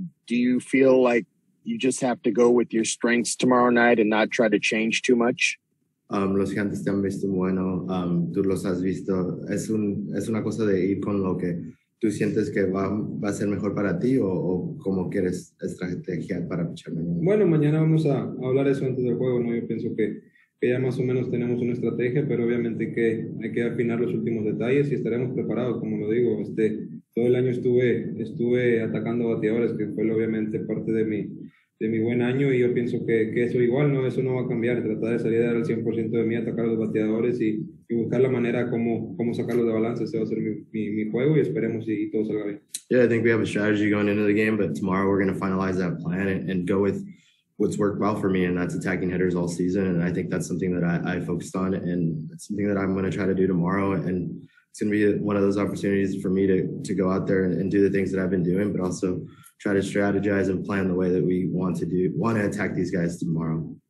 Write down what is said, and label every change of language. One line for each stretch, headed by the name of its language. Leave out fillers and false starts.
English: Do you feel like you just have to go with your strengths tomorrow night and not try to change too much?
Spanish: Los gigantes te han visto bueno, tú los has visto. Es una cosa de ir con lo que tú sientes que va a ser mejor para ti o cómo quieres estrategiar para pichar mañana. Bueno, mañana vamos a hablar eso antes del juego, ¿no? Yo pienso que ya más o menos tenemos una estrategia, pero obviamente que hay que afinar los últimos detalles y estaremos preparados, como lo digo. Todo el año estuve atacando bateadores, que fue obviamente parte de mi buen año, y yo pienso que eso igual, ¿no? Eso no va a cambiar. Tratar de salir a dar el 100% de mí, atacar a los bateadores y buscar la manera cómo sacarlos de balance. Ese va a ser mi juego y esperemos y todo salga bien.
English: Yeah, I think we have a strategy going into the game, but tomorrow we're going to finalize that plan and go with what's worked well for me, and that's attacking hitters all season. And I think that's something that I focused on, and it's something that I'm going to try to do tomorrow. And it's going to be one of those opportunities for me to go out there and do the things that I've been doing, but also try to strategize and plan the way that we want to attack these guys tomorrow.